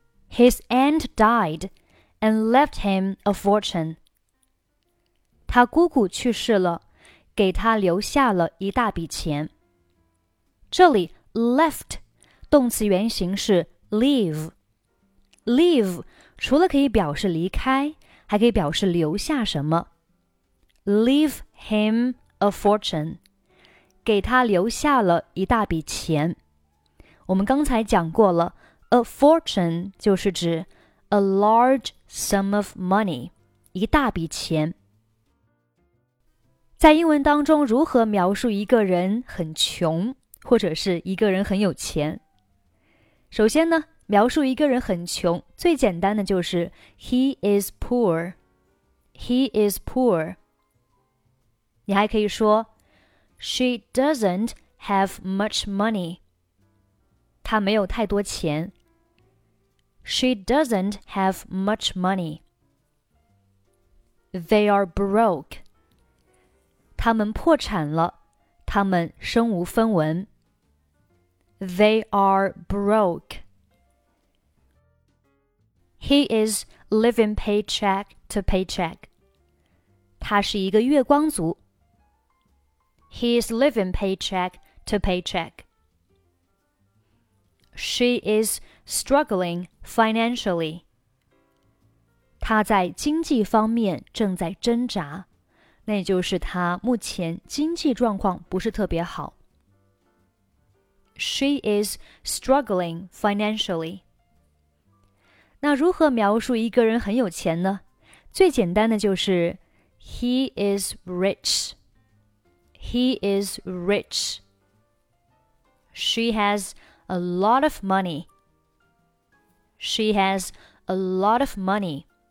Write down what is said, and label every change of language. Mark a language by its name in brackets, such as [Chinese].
[English] His aunt died and left him a fortune. [Chinese] 他姑姑去世了，给他留下了一大笔钱。这里 left 动词原形是 leave。 Leave 除了可以表示离开，还可以表示留下什么。 [English] Leave him a fortune. [Chinese] 给他留下了一大笔钱。我们刚才讲过了 ,a fortune 就是指 [English] a large sum of money, [Chinese] 一大笔钱。在英文当中如何描述一个人很穷或者是一个人很有钱？首先呢，描述一个人很穷最简单的就是 [English] he is poor, he is poor。 [Chinese] 你还可以说 [English] She doesn't have much money. [Chinese] 她没有太多钱。 [English] She doesn't have much money. They are broke. [Chinese] 他们破产了，他们身无分文。 [English] They are broke. He is living paycheck to paycheck. [Chinese] 他是一个月光族。 [English] He is living paycheck to paycheck. She is struggling financially. [Chinese] 她在经济方面正在挣扎，那也就是她目前经济状况不是特别好。 [English] She is struggling financially. [Chinese] 那如何描述一个人很有钱呢？最简单的就是 [English] He is rich. He is rich. She has a lot of money. She has a lot of money.